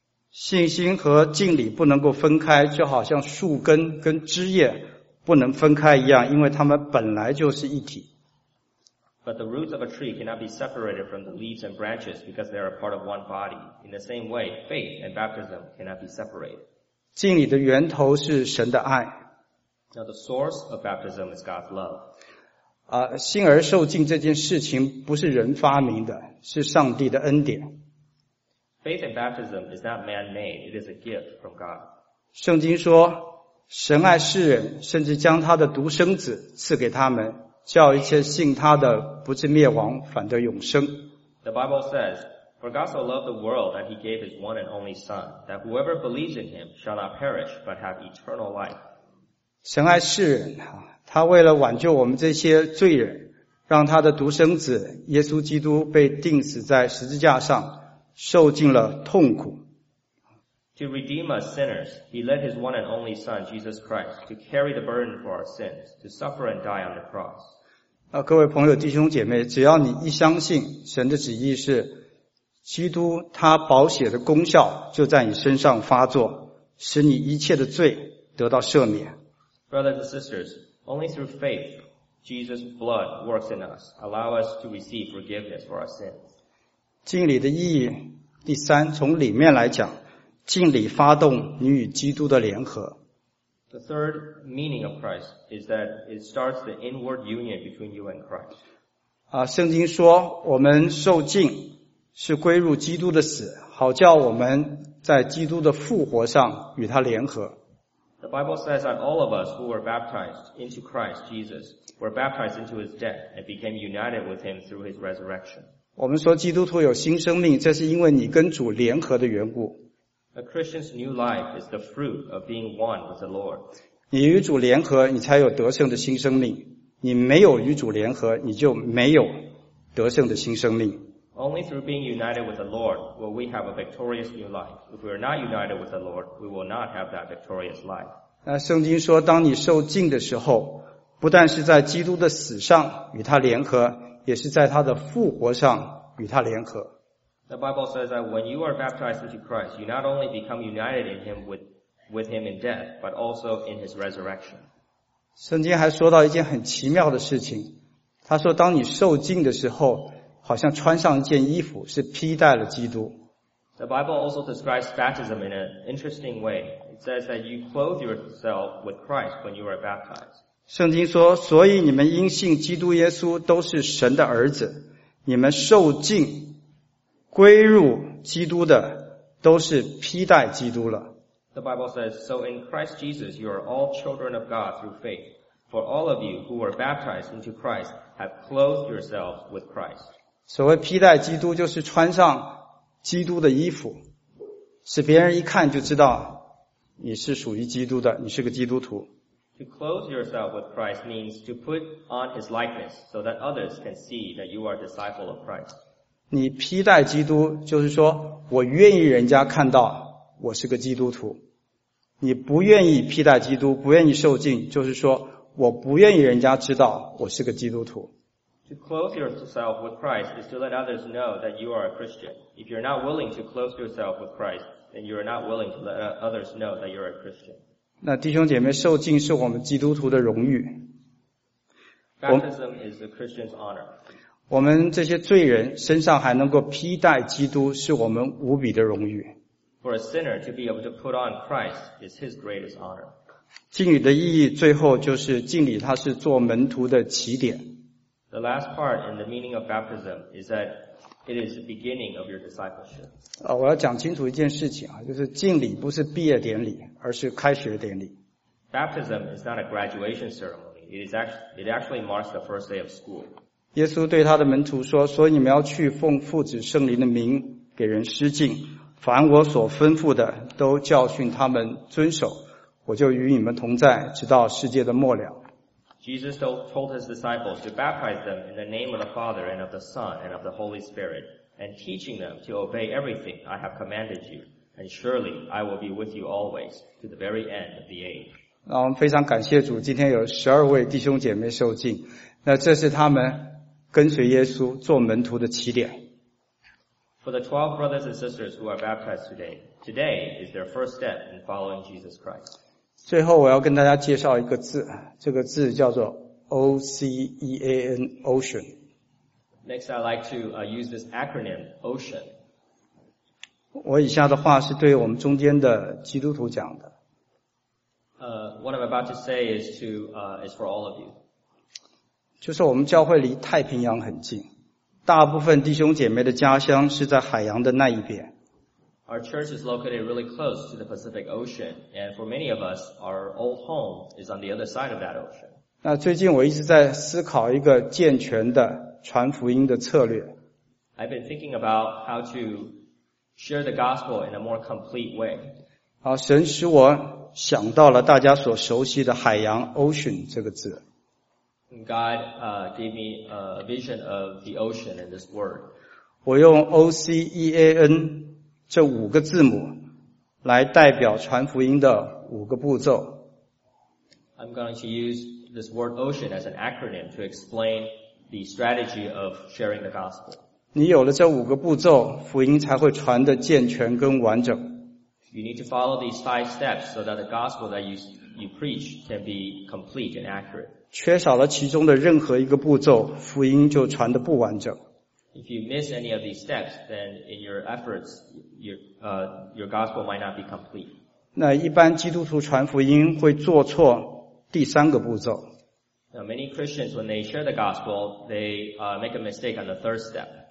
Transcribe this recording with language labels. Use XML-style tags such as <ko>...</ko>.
<zh>信心和敬礼不能够分开，就好像树根跟枝叶不能分开一样，因为它们本来就是一体。</zh> <en>But the roots of a tree cannot be separated from the leaves and branches because they are a part of one body. In the same way, faith and baptism cannot be separated.</en> <zh>浸礼的源头是神的爱。</zh> <en>Now the source of baptism is God's love.</en> <zh>信而受浸这件事情不是人发明的，是上帝的恩典。</zh> <en>Faith and baptism is not man-made, it is a gift from God.</en> <zh>圣经说，神爱世人，甚至将他的独生子赐给他们，叫一切信他的不至灭亡，反得永生。</zh> <en>The Bible says,For God so loved the world that he gave his one and only son, that whoever believes in him shall not perish, but have eternal life.</en> <zh>神爱世人，他为了挽救我们这些罪人，让他的独生子耶稣基督被钉死在十字架上，受尽了痛苦。</zh> <en>To redeem us sinners, he led his one and only son, Jesus Christ, to carry the burden for our sins, to suffer and die on the cross.</en> <zh>各位朋友，弟兄姐妹，只要你一相信神的旨意是基督，他宝血的功效就在你身上发作，使你一切的罪得到赦免。</zh> <en>Brothers and sisters, only through faith, Jesus' blood works in us, allow us to receive forgiveness for our sins.</en> <zh>浸礼的意义，第三，从里面来讲，浸礼发动你与基督的联合。</zh> <en>The third meaning of Christ is that it starts the inward union between you and Christ.</en> <zh>圣经说，我们受浸是归入基督的死，好叫我们在基督的复活上与他联合。</zh> <en>The Bible says that all of us who were baptized into Christ Jesus were baptized into his death and became united with him through his resurrection.</en> <zh>我们说基督徒有新生命，这是因为你跟主联合的缘故。</zh> <en>A Christian's new life is the fruit of being one with the Lord.</en> <zh>你与主联合，你才有得胜的新生命；你没有与主联合，你就没有得胜的新生命。</zh> <en>Only through being united with the Lord will we have a victorious new life. If we are not united with the Lord, we will not have that victorious life.</en> <zh>那圣经说，当你受浸的时候，不但是在基督的死上与他联合，也是在他的复活上与他联合。</zh> <en>The Bible says that when you are baptized into Christ, you not only become united in him with him in death, but also in his resurrection.</en> <zh>圣经还说到一件很奇妙的事情，他说当你受浸的时候，好像穿上一件衣服，是披戴了基督。</zh> <en>The Bible also describes baptism in an interesting way. It says that you clothe yourself with Christ when you are baptized.</en> <zh>圣经说，所以你们因信基督耶稣都是神的儿子，你们受浸归入基督的都是披戴基督了。</zh> <en>The Bible says, so in Christ Jesus you are all children of God through faith. For all of you who were baptized into Christ have clothed yourselves with Christ.</en> <zh>所谓披戴基督就是穿上基督的衣服，使别人一看就知道你是属于基督的，你是个基督徒。</zh> <en>To clothe yourself with Christ means to put on his likeness so that others can see that you are a disciple of Christ.</en> <zh>你披戴基督就是说我愿意人家看到我是个基督徒。你不愿意披戴基督，不愿意受浸，就是说我不愿意人家知道我是个基督徒。</zh> <en>To clothe yourself with Christ is to let others know that you are a Christian. If you're not willing to clothe yourself with Christ, then you're not willing to let others know that you're a Christian.</en> <zh>那弟兄姐妹，受浸是我们基督徒的荣誉。</zh> <en>Baptism is a Christian's honor.</en> <zh>我们这些罪人身上还能够披戴基督，是我们无比的荣誉。</zh> <en>For a sinner to be able to put on Christ is his greatest honor.</en> <zh>浸礼的意义最后就是浸礼它是做门徒的起点。</zh> <en>The last part in the meaning of baptism is that it is the beginning of your discipleship.</en> <zh>我要讲清楚一件事情啊，就是浸礼不是毕业典礼，而是开学典礼。</zh> <en>Baptism is not a graduation ceremony. It actually marks the first day of school.</en> <zh>耶稣对他的门徒说，所以你们要去奉父子圣灵的名给人施浸，凡我所吩咐的都教训他们遵守，我就与你们同在，直到世界的末了。</zh> <en>Jesus told his disciples to baptize them in the name of the Father and of the Son and of the Holy Spirit, and teaching them to obey everything I have commanded you. And surely I will be with you always to the very end of the age.</en> <zh>那我们非常感谢主，今天有12位弟兄姐妹受浸，那这是他们跟随耶稣做门徒的起点。</zh> <en>For the 12 brothers and sisters who are baptized today, today is their first step in following Jesus Christ.</en> <zh>最后我要跟大家介绍一个字，这个字叫做 OCEAN, Ocean.</zh> <en>Next, I'd like to use this acronym, Ocean.</en> <zh>我以下的话是对我们中间的基督徒讲的。</zh> <en>What I'm about to say is for all of you.</en> <zh>就是我们教会离太平洋很近，大部分弟兄姐妹的家乡是在海洋的那一边。</zh> <en>Our church is located really close to the Pacific Ocean, and for many of us, our old home is on the other side of that ocean.</en> <zh>那最近我一直在思考一个健全的传福音的策略。</zh> <en>I've been thinking about how to share the gospel in a more complete way.</en> <zh>好，神使我想到了大家所熟悉的海洋 ocean 这个字。</zh> <en>God gave me a vision of the ocean in this word.</en> <zh>我用 OCEAN这五个字母来代表传福音的五个步骤。</zh> <en>I'm going to use this word ocean as an acronym to explain the strategy of sharing the gospel.</en> <zh>你有了这五个步骤，福音才会传得健全跟完整。</zh> <en>You need to follow these five steps so that the gospel that you preach can be complete and accurate.</en> <zh>缺少了其中的任何一个步骤，福音就传得不完整。</zh> <en>If you miss any of these steps, then in your efforts, your gospel might not be complete.</en> <zh>那一般基督徒传福音会做错第三个步骤。</zh> <en>Now, many Christians, when they share the gospel, they make a mistake on the third step.</en>